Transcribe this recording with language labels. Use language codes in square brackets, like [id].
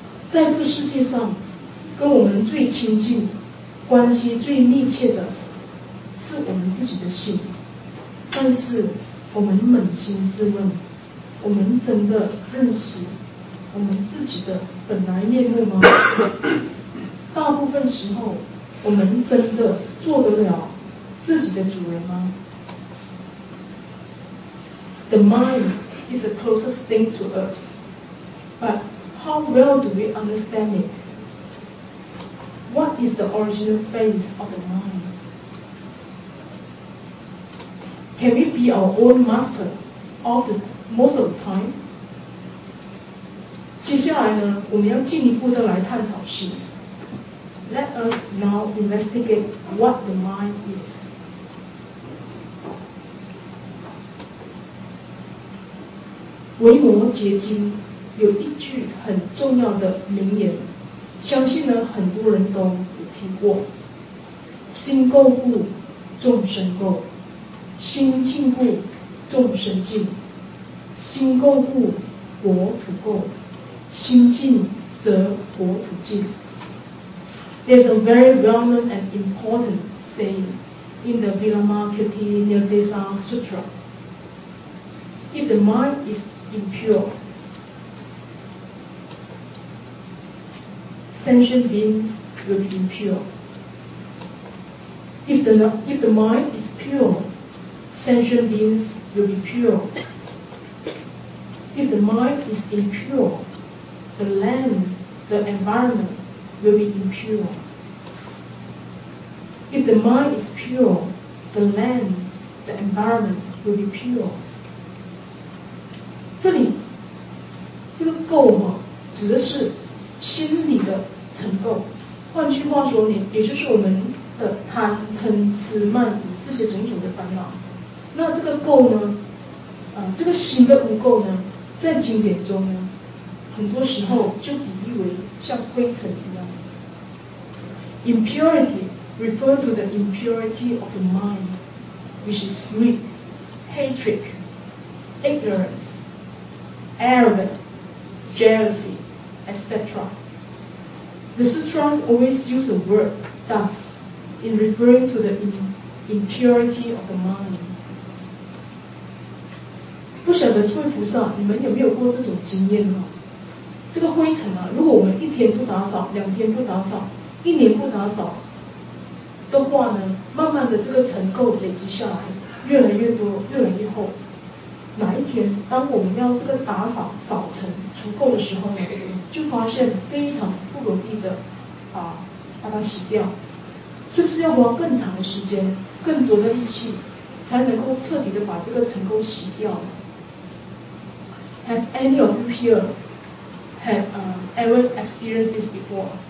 [zh] 在这个世界上跟我们最亲近、关系最密切的是我们自己的心，但是我们扪心自问，我们真的认识我们自己的本来面目吗？大部分时候，我们真的做得了自己的主人吗？ [en] The mind is the closest thing to us, but how well do we understand it? What is the original face of the mind? Can we be our own master most of the time? [zh] 接下来呢，我们要进一步的来探讨心。 [en] Let us now investigate what the mind is. [zh] 《维摩诘经》有一句很重要的名言。相信呢，很多人都有听过，心垢故，众生垢；心净故，众生净；心垢故，国土垢；心净则国土净。 [en] There's a very well-known and important saying in the Vimalakirti Nirdesa Sutra. If the mind is impure,Sentient beings will be impure. If the mind is pure, sentient beings will be pure. If the mind is impure, the land, the environment will be impure. If the mind is pure, the land, the environment will be pure. [zh] 这里这个垢嘛，指的是心里的。尘垢，换句话说呢，也就是我们的贪嗔痴慢疑这些种种的烦恼。那这个垢呢，这个心的污垢呢，在经典中呢，很多时候就比喻为像灰尘一样。 [en] Impurity refers to the impurity of the mind, which is greed, hatred, ignorance, arrogance, jealousy, etc. The sutras always use the word thus in referring to the impurity of the mind. [zh] 不晓得诸位菩萨，你们有没有过这种经验呢？这个灰尘啊，如果我们一天不打扫，两天不打扫，一年不打扫的话呢，慢慢的这个尘垢累积下来，越来越多，越来越厚。哪一天当我们要这个打扫扫尘除垢的时候呢，就发现非常不容易的啊，把它洗掉，是不是要花更长的时间，更多的力气，才能够彻底的把这个尘垢洗掉呢？ [en] Have any of you here have ever experienced this before?